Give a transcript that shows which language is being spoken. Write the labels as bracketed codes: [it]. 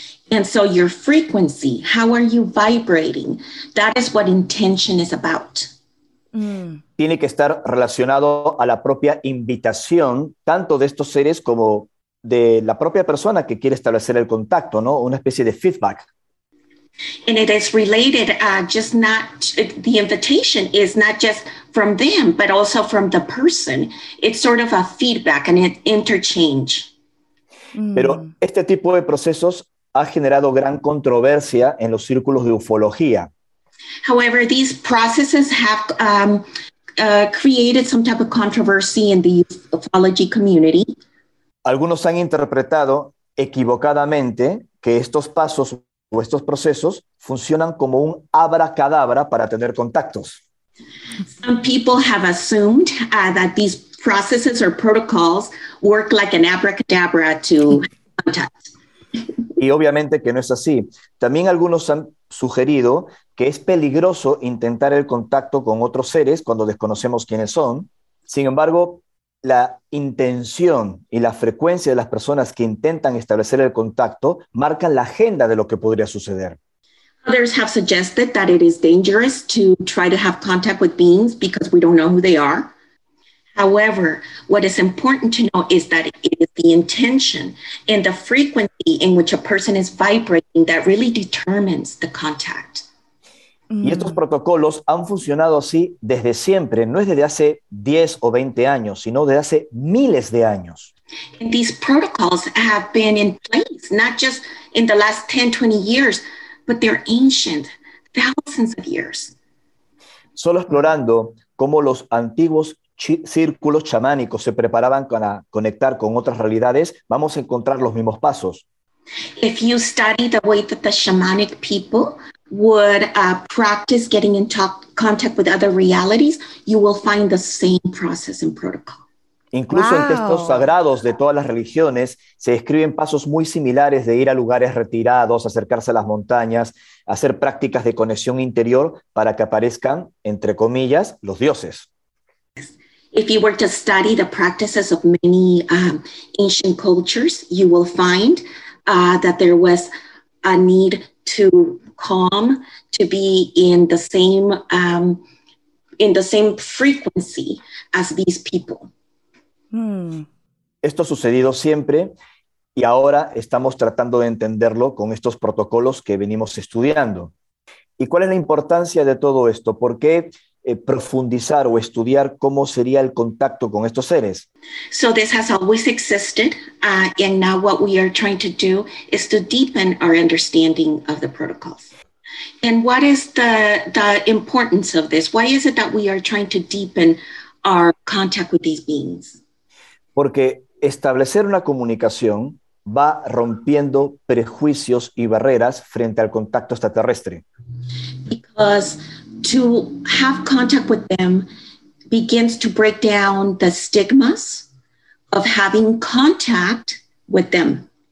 [en] And so your frequency, how are you vibrating? That is what intention is about. [es] Tiene que estar relacionado a la propia invitación, tanto de estos seres como de la propia persona que quiere establecer el contacto, ¿no? Una especie de feedback. [en] And it is related, the invitation is not just from them, but also from the person. It's sort of a feedback, an interchange. [es] Pero este tipo de procesos ha generado gran controversia en los círculos de ufología. [en] However, these processes have created some type of controversy in the ufology community. [es] Algunos han interpretado equivocadamente que estos pasos o estos procesos funcionan como un abracadabra para tener contactos. [en] Some people have assumed that these processes or protocols work like an abracadabra to contact. [es] Y obviamente que no es así. También algunos han sugerido que es peligroso intentar el contacto con otros seres cuando desconocemos quiénes son. Sin embargo, la intención y la frecuencia de las personas que intentan establecer el contacto marcan la agenda de lo que podría suceder. [en] Others have suggested that it is dangerous to try to have contact with beings because we don't know who they are. However, what is important to know is that it is the intention and the frequency in which a person is vibrating that really determines the contact. [es] Y estos protocolos han funcionado así desde siempre, no es desde hace 10 o 20 años, sino desde hace miles de años. [en] And these protocols have been in place, not just in the last 10, 20 years, but they're ancient, thousands of years. [es] Solo explorando cómo los antiguos círculos chamánicos se preparaban para conectar con otras realidades, vamos a encontrar los mismos pasos. [en] If you study the way that the shamanic people would practice getting in contact with other realities, you will find the same process and protocol. [es] Incluso en textos sagrados de todas las religiones se describen pasos muy similares de ir a lugares retirados, acercarse a las montañas, hacer prácticas de conexión interior para que aparezcan, entre comillas, los dioses. [en] If you were to study the practices of many ancient cultures, you will find that there was a need to calm, to be in the same frequency as these people. [es] Esto ha sucedido siempre y ahora estamos tratando de entenderlo con estos protocolos que venimos estudiando. ¿Y cuál es la importancia de todo esto? ¿Por qué profundizar o estudiar cómo sería el contacto con estos seres? [en] So this has always existed, and now what we are trying to do is to deepen our understanding of the protocols. And what is the importance of this? Why is it that we are trying to deepen our contact with these beings? [es] Porque establecer una comunicación va rompiendo prejuicios y barreras frente al contacto extraterrestre. [en] Because to have contact with them begins to break down the stigmas of having contact with them.